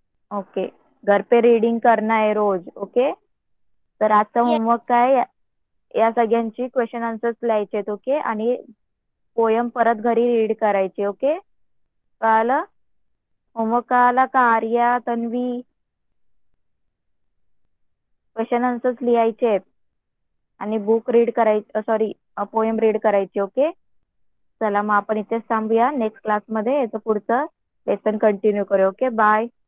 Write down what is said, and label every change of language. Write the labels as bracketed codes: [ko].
[hi] Okay, घर पे reading करना है रोज। [mr] ओके तर आजचा होमवर्क [en] yes [mr] काय, या सगळ्यांची क्वेश्चन आंसर्स लिहायचे आहेत ओके, आणि पोयम परत घरी रीड करायची ओके। कळालं? होमवर्क कळाला का आर्या तन्वी? क्वेश्चन आन्सर्स लिहायचे आणि बुक रीड करायची, सॉरी पोएम रीड करायची ओके। चला मग आपण इथेच थांबूया, नेक्स्ट क्लास मध्ये याचं पुढचं लेसन कंटिन्यू करू ओके। बाय